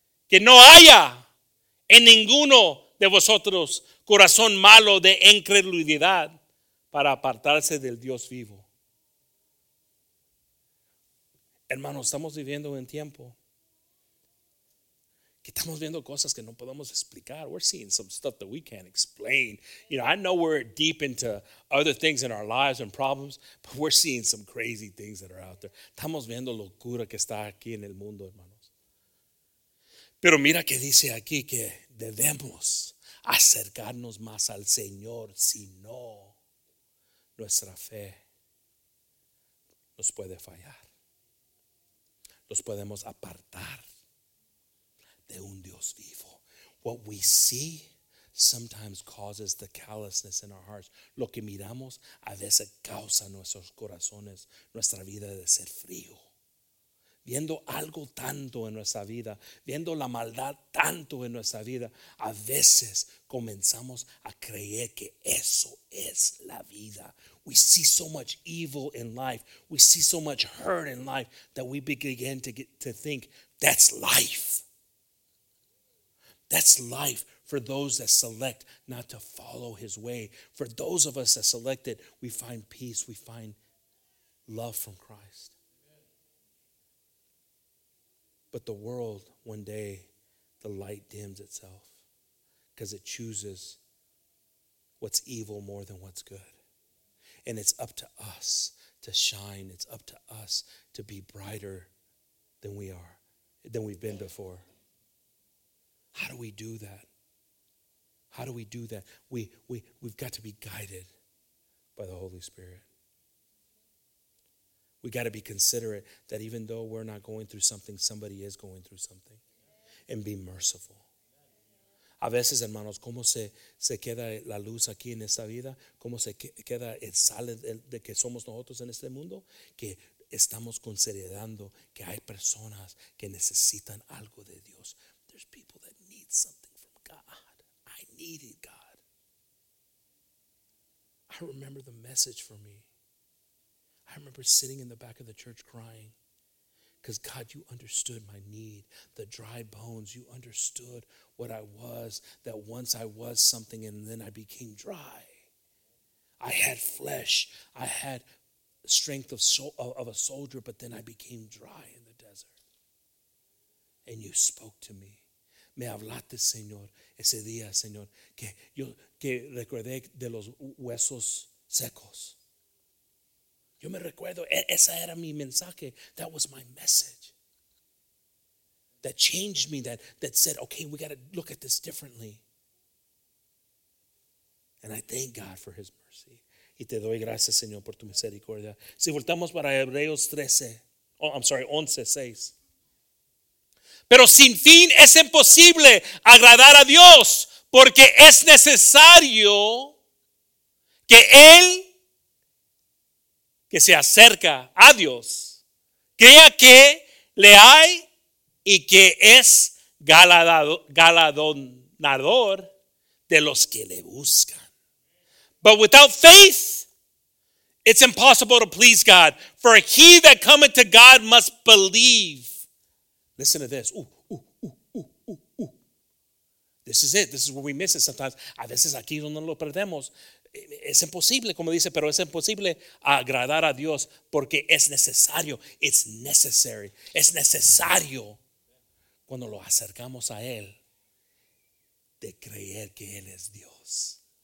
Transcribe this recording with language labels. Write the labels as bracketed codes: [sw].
[es] Que no haya en ninguno de vosotros corazón malo de incredulidad para apartarse del Dios vivo. Hermanos, estamos viviendo en tiempo que estamos viendo cosas que no podemos explicar. [en] We're seeing some stuff that we can't explain. You know, I know we're deep into other things in our lives and problems, but we're seeing some crazy things that are out there. [es] Estamos viendo locura que está aquí en el mundo, hermanos. Pero mira que dice aquí que debemos acercarnos más al Señor, si no, nuestra fe nos puede fallar. Nos podemos apartar de un Dios vivo. [en] What we see sometimes causes the callousness in our hearts. [es] Lo que miramos a veces causa nuestros corazones, nuestra vida de ser frío. Viendo algo tanto en nuestra vida, viendo la maldad tanto en nuestra vida, a veces comenzamos a creer que eso es la vida. [en] We see so much evil in life. We see so much hurt in life that we begin to get to think that's life. That's life for those that select not to follow his way. For those of us that select it, we find peace. We find love from Christ. But the world, one day, the light dims itself because it chooses what's evil more than what's good. And it's up to us to shine. It's up to us to be brighter than we are, than we've been before. How do we do that? How do we do that? We've got to be guided by the Holy Spirit. We got to be considerate that even though we're not going through something, somebody is going through something. And be merciful. [es] A veces, hermanos, ¿cómo se queda la luz aquí en esta vida? ¿Cómo se queda el sal de que somos nosotros en este mundo? Que estamos considerando que hay personas que necesitan algo de Dios. [en] There's people that need something from God. I needed God. I remember the message for me. I remember sitting in the back of the church crying because, God, you understood my need, the dry bones. You understood what I was, that once I was something and then I became dry. I had flesh. I had strength of a soldier, but then I became dry in the desert. And you spoke to me. [es] Me hablaste, Señor, ese día, Señor, que yo que recordé de los huesos secos. Yo me recuerdo, esa era mi mensaje. [en] That was my message. That changed me, that said, okay, we got to look at this differently. And I thank God for his mercy. [es] Y te doy gracias, Señor, por tu misericordia. Si voltamos para Hebreos 13, [en] oh, I'm sorry, [es] 11:6. Pero sin fin es imposible agradar a Dios, porque es necesario que Él, que se acerca a Dios, crea que le hay y que es galardonador de los que le buscan. [en] But without faith, it's impossible to please God. For he that cometh to God must believe. Listen to this. This is it. This is where we miss it sometimes. [es] A veces aquí donde lo perdemos. Es imposible, como dice, pero es imposible agradar a Dios porque es necesario. [en] It's necessary. [es] Es necesario cuando lo acercamos a Él de creer que Él es Dios.